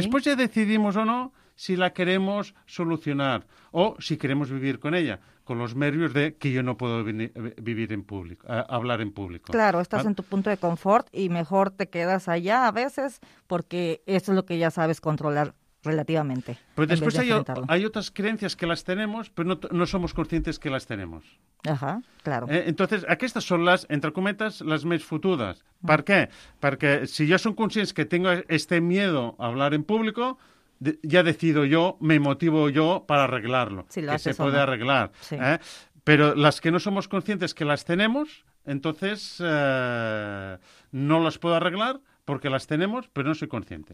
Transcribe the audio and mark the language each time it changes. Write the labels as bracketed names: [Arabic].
[Spanish] Después ya decidimos o no si la queremos solucionar o si queremos vivir con ella, con los nervios de que yo no puedo vivir en público, hablar en público. Claro, estás en tu punto de confort y mejor te quedas allá a veces porque eso es lo que ya sabes controlar relativamente. Pero después hay otras creencias que las tenemos, pero no somos conscientes que las tenemos. Ajá, claro. [Catalan] Entonces, aquestes són les, entre cometes, les més fotudes. Per què? Perquè si jo som conscients [Spanish] que tengo este miedo a hablar en público, ya decido yo, me motivo yo para arreglarlo, si que se puede arreglar. Sí. Pero las que no somos conscientes que las tenemos, entonces no las puedo arreglar porque las tenemos, pero no soy consciente.